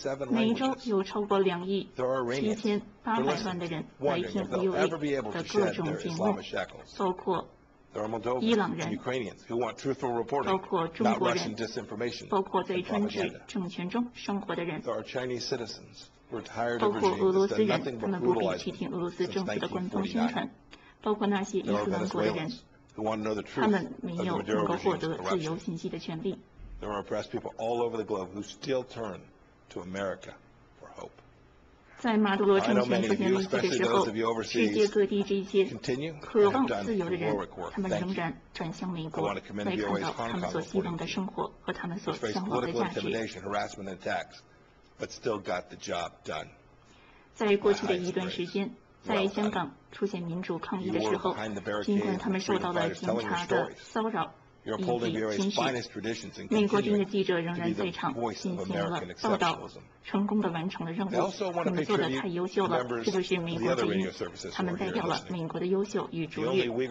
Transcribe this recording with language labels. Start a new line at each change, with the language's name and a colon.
Chinese: 每周有超过2,700,000的人来听 VOA 的各种节目，包括伊朗人，包括中国人，包括在专制政权中生活的人，包括俄罗斯人，他们不必去听俄罗斯政府的官方宣传，包括那些伊斯兰国的人，他们没有能够获得自由信息的权利。
English: There are oppressed people all over the globe who still turn to America for hope.
Chinese: 在马杜罗政权出现危机的时候，世界各地这些渴望自由的人，他们仍然转向美国，来看到他们所希望的生活和他们所向往的价值。
English: Faced intimidation, harassment, and attacks, but still got the job done.
Chinese: 在过去的一段时间。在香港出现民主抗议的时候，尽管他们受到了警察的骚扰以及侵蚀，美国军的记者仍然在场进行了报道，成功地完成了任务。他们做得太优秀了，这就是美国之音，他们代表了美国的优秀与卓越。